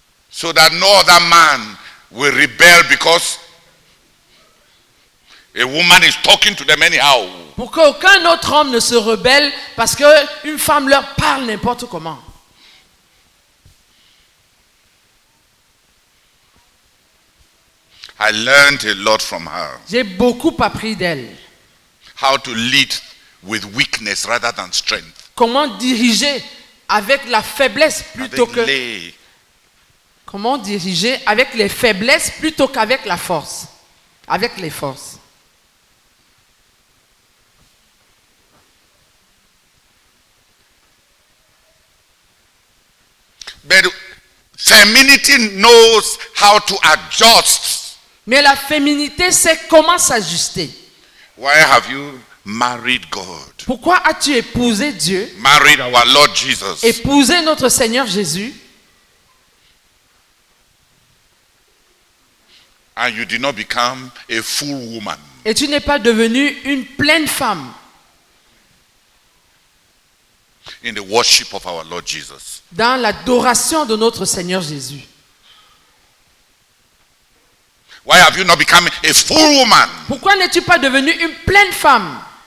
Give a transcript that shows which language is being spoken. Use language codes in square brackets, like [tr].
[en] So that no other man will rebel because a woman is talking to them anyhow. [fr] Pour qu'aucun autre homme ne se rebelle parce que une femme leur parle n'importe comment. [en] I learned a lot from her. [fr] J'ai beaucoup appris d'elle. [en] How to lead with weakness rather than strength. [fr] Comment diriger avec la faiblesse plutôt que Comment diriger avec les faiblesses plutôt qu'avec la force? Avec les forces. [en] But femininity knows how to adjust. [fr] Mais la féminité sait comment s'ajuster. [en] Why have you married God? [fr] Pourquoi as-tu épousé Dieu? [en] Married our Lord Jesus. [fr] Épousé notre Seigneur Jésus. [en] And you did not become a full woman. [fr] Et tu n'es pas devenue une pleine femme. [en] In the worship of our Lord Jesus. [fr] Dans l'adoration de notre Seigneur Jésus. [en] Why have you not become a full woman? [fr] Pourquoi n'es-tu pas devenue une pleine femme?